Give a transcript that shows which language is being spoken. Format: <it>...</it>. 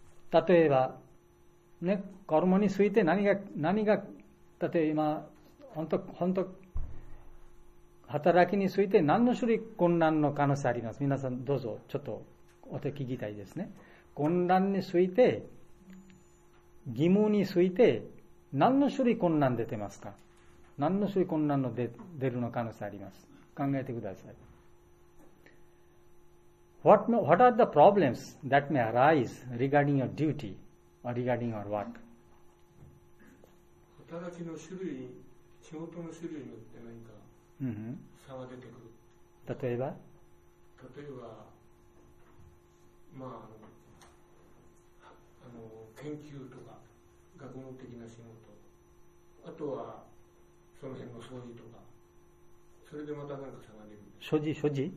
<ja>例えば、ね、コルモについて何が、例えば今、本当、働きについて何の種類混乱の可能性あります。皆さんどうぞ、ちょっとお手聞きたいですね。混乱について、義務について何の種類困難出てますか？何の種類困難の出るの可能性あります。考えてください。</ja> <en>What are the problems that may arise regarding your duty or regarding your work?</en> <ja>働きの種類、仕事の種類によって何か差が出てくる。例えば、まあ、研究とか学問的な仕事、あとはその辺の掃除とか、それでまた何か差が出る。</ja>